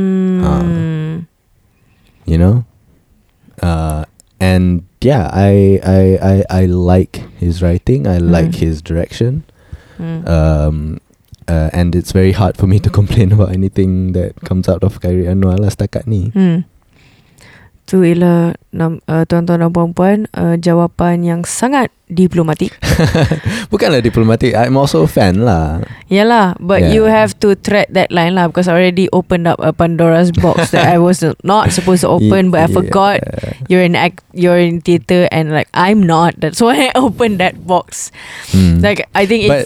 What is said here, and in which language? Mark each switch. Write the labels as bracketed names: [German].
[English] You know? And yeah, I like his writing. I like his direction. And it's very hard for me to complain about anything that comes out of Khairi Anwar lah [Malay] setakat ni. Tu ialah tuan-tuan dan puan-puan, jawapan yang sangat diplomatik. Bukanlah diplomatik, [English] I'm also a fan lah. Yalah, but yeah, you have to thread that line lah, because I already opened up a Pandora's box that I was not supposed to open, but I forgot you're in theater and like I'm not. That's why I opened that box. Like I think